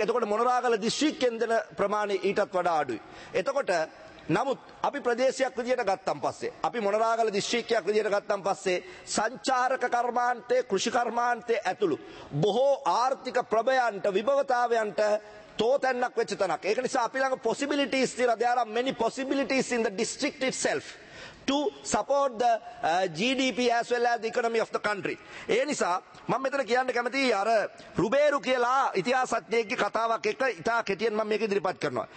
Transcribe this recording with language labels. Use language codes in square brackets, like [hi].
[si] එතකොට මොනරාගල දිස්ත්‍රික්කෙන් දෙන ප්‍රමාණය ඊටත් වඩා අඩුයි. එතකොට නමුත් අපි ප්‍රදේශයක් විදියට ගත්තන් පස්සේ අපි මොනරාගල දිස්ත්‍රික්කයක් විදියට ගත්තන් පස්සේ සංචාරක කර්මාන්තේ කෘෂි කර්මාන්තේ ඇතුළු බොහෝ ආර්ථික ප්‍රභයන්ට විභවතාවයන්ට තෝතැන්නක් වෙච්ච තැනක්. ඒක නිසා අපි ළඟ possibilities තියලා [en] there are many possibilities in the district itself to support the GDP as well as the economy of the country. [si] ඒ නිසා මම මෙතන කියන්න කැමතියි අර රුබේරු කියලා ඉතිහාසඥයෙක්ගේ කතාවක් එක ඉතා කෙටියෙන් මම මේක ඉදිරිපත් කරනවා.